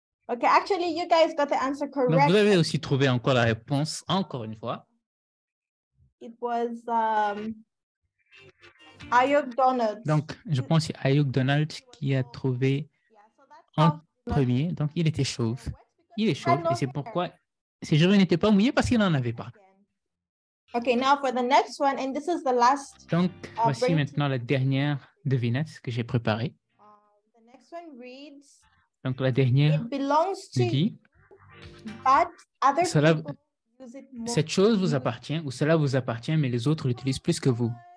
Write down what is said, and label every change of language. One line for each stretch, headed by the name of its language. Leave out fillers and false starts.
English: Ok, actually, you guys got the answer correct.
French: Donc, vous avez aussi trouvé encore la réponse, encore une fois.
English: It was Ayuk Donald.
French: Donc, je pense que c'est Ayuk Donald qui a trouvé en premier. Donc, il était chauve. Il est chauve et c'est pourquoi ses cheveux n'étaient pas mouillés parce qu'il n'en avait pas.
English: Okay, now for the next one, and this is the last.
French: Donc, voici maintenant la dernière devinette que j'ai préparée.
English: The next one reads.
French: Donc la dernière.
English: It belongs to.
French: Dit,
English: but other
French: cela,
English: people use it more.
French: Cette chose vous appartient ou cela vous appartient, mais les autres l'utilisent plus que vous.